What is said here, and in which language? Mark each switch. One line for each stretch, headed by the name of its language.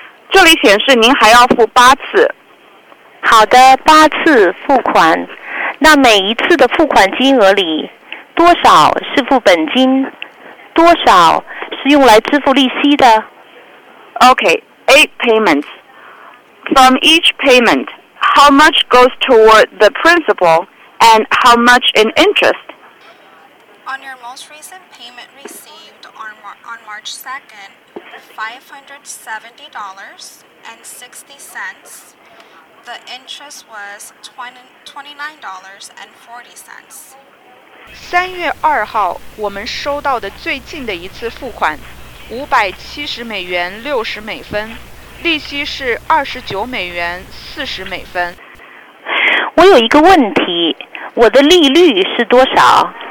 Chinese: 这里显示您还要付八次。好的，八次付款。那每一次的付款金额里，多少是付本金，多少是用来支付利息的？
English: Okay, 8 payments. From each payment,How much goes toward the principal, and how much in interest? On your most recent payment received on March 2nd, $570.60, the interest was $29.40.
Chinese: 3月2号，我们收到的最近的一次付款，$570.60。利息是29美元40美分。我有一个问题，我的利率是多少？